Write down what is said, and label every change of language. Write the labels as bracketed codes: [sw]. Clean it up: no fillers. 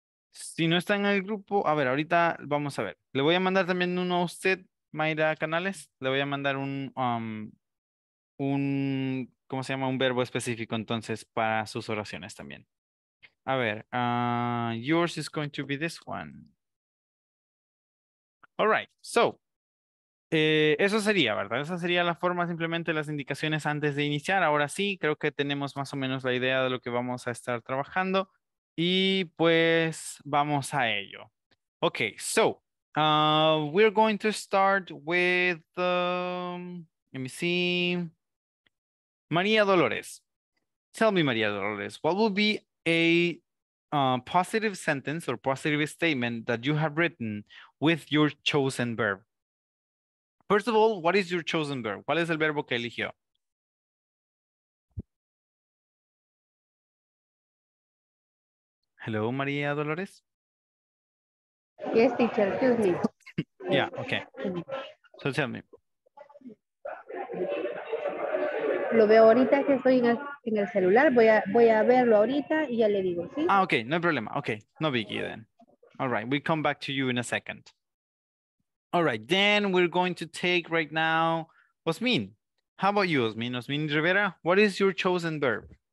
[es] Si no está en el grupo, a ver, ahorita vamos a ver. Le voy a mandar también uno a usted, Mayra Canales. Le voy a mandar un ¿cómo se llama? Un verbo específico entonces para sus oraciones también. A ver, [en] yours is going to be this one. All right, so, [es] eso sería, ¿verdad? Esa sería la forma, simplemente las indicaciones antes de iniciar. Ahora sí, creo que tenemos más o menos la idea de lo que vamos a estar trabajando. Y pues, vamos a ello. [en] Okay, so, we're going to start with, let me see, María Dolores. Tell me, María Dolores, what will be a positive sentence or positive statement that you have written with your chosen verb? First of all, what is your chosen verb? [es] ¿Cuál es el verbo que eligió? [en] Hello, María Dolores. Yes, teacher, excuse me. Yeah, okay. So tell me. [es] Lo veo ahorita que estoy en el celular. Voy a verlo ahorita y ya le digo, ¿sí? [en] Ah, okay, [es] no hay problema. [en] Okay, no biggie then. All right, we come back to you in a second. All right, then we're going to take right now, Osmin. How about you, Osmin? Osmin Rivera, what is your chosen verb?